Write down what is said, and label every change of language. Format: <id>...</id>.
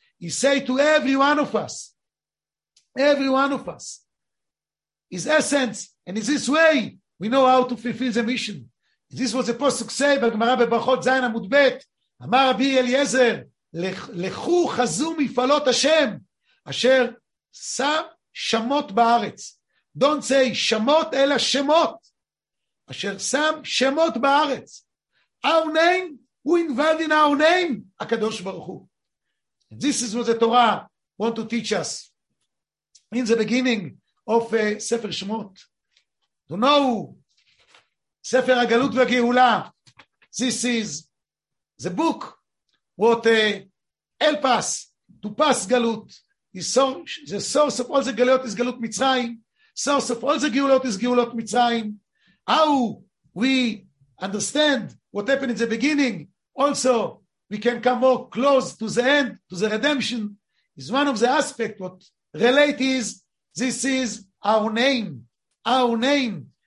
<en>He say to every one of us, every one of us, his essence, and in this way, we know how to fulfill the mission. And this was a post to say,</en> <he>Bagmara Bebrachot Zayin Amud Bet, אמר רבי אליעזר, לכו חזו מפעלות השם, אשר שם שמות בארץ.</he> <en>Don't say שמות, אלא שמות.</en> <he>אשר שם שמות בארץ.</he> <en>Our name, who invited in our name? הקדוש ברוך הוא. And this is what the Torah want to teach us. In the beginning of ספר שמות. To know,</en> <he>ספר הגלות והגאולה.</he> <en>This is the book what help us to pass Galut. The source of all the Galut is Galut Mitzrayim. Source of all the Geulot is Geulot Mitzrayim. How we understand what happened in the beginning, also we can come more close to the end, to the redemption, is one of the aspects what relate is, this is our name. Our name.</en>